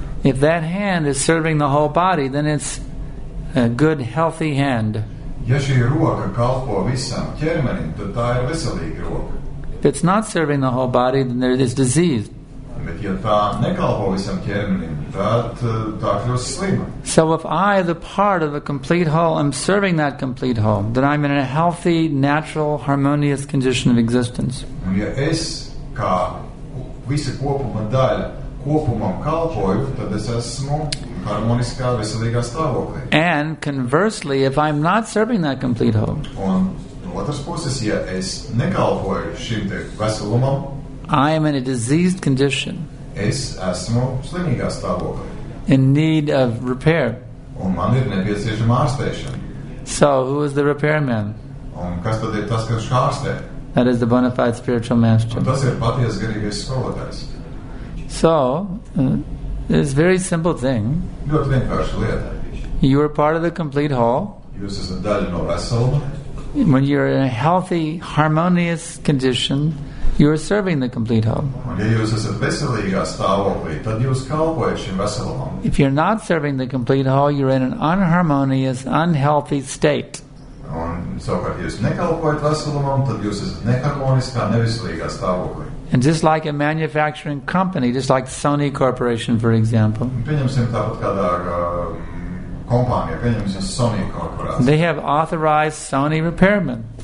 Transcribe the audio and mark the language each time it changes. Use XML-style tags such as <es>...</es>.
<en>If that hand is serving the whole body, then it's a good, healthy hand.</en> <lv>Ja šī roka kalpo visam ķermenim, tad tā ir veselīga roka.</lv> <en>If it's not serving the whole body, then there is disease.</en> <lv>Bet ja tā nekalpo visam ķermenim, tad tā kļūst slima.</lv> <en>So if I, the part of a complete whole, am serving that complete whole, then I'm in a healthy, natural, harmonious condition of existence.</en> <lv>Un ja es, kā visa kopuma daļa, kopumam kalpoju, tad es esmu harmoniskā, veselīgā stāvoklī.</lv> <en>And conversely, if I'm not serving that complete whole,</en> <lv>otras puses, ja es nekalpoju šim te veselumam,</lv> <en>I am in a diseased condition.</en> <lv>Es esmu slimīgā stāvoklī.</lv> <en>In need of repair.</en> <lv>Un man ir nepieciešama ārstēšana.</lv> <en>So, who is the repairman?</en> <lv>Un kas tad ir tas, kas ārstē?</lv> <en>That is the bona fide spiritual master.</en> <lv>Un tas ir paties garīgais skolotājs.</lv> <en>So, it's a very simple thing.</en> <lv>Ļoti vienkārša lieta.</lv> <en>You are part of the complete whole.</en> <lv>Jūs esat daļa no veseluma.</lv> <en>When you're in a healthy, harmonious condition, you are serving the complete whole.</en> <lv>Ja jūs esat veselīgā stāvoklī, tad jūs kalpojat šim veselumam.</lv> <en>If you're not serving the complete whole, you're in an unharmonious, unhealthy state.</en> <lv>Un savukārt, jūs nekalpojat veselumam, tad jūs esat neharmoniskā, neveselīgā stāvoklī.</lv> <en>And just like a manufacturing company, just like Sony Corporation, for example.</en> <lv>Pieņemsim tāpat kādā kompānija, pieņemsim Sony korporācija.</lv> <en>They have authorized Sony repairmen.</en>